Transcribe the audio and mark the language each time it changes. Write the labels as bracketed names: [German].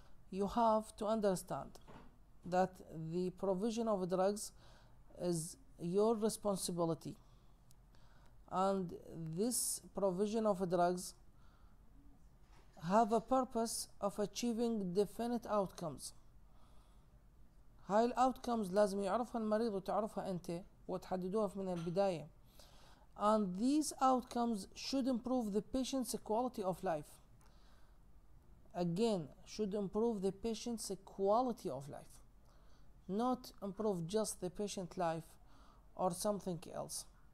[English] You have to understand that the provision of drugs is your responsibility, and this provision of drugs have a purpose of achieving definite outcomes. [Arabic] هاي ال outcomes لازم يعرفها المريض وتعرفها انت وتحددوها من البداية. [English] And these outcomes should improve the patient's quality of life. Again, should improve the patient's quality of life. Not improve just the patient life or something else.